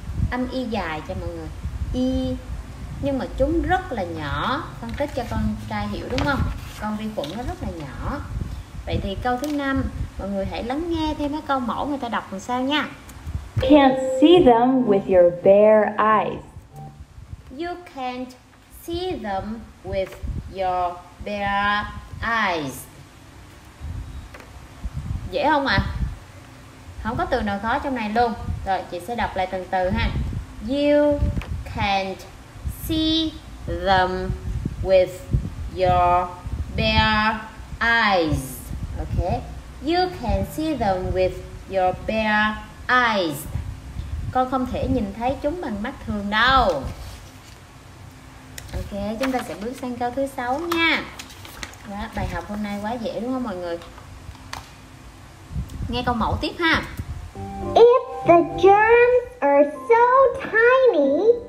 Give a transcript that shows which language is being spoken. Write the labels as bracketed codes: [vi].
[vi] Âm y dài cho mọi người. Y. Nhưng mà chúng rất là nhỏ. Phân tích cho con trai hiểu đúng không? Con vi khuẩn nó rất là nhỏ. Vậy thì câu thứ 5, mọi người hãy lắng nghe thêm cái câu mẫu người ta đọc làm sao nha. [en] Can't see them with your bare eyes. You can't see them with your bare eyes. [vi] Dễ không ạ? Không có từ nào khó trong này luôn. Rồi, chị sẽ đọc lại từng từ ha. [en] You can't see them with your bare eyes. Okay. You can see them with your bare eyes. [vi] Con không thể nhìn thấy chúng bằng mắt thường đâu. Ok, chúng ta sẽ bước sang câu thứ 6 nha. Đó, bài học hôm nay quá dễ đúng không mọi người? Nghe câu mẫu tiếp ha. If the germs are so tiny,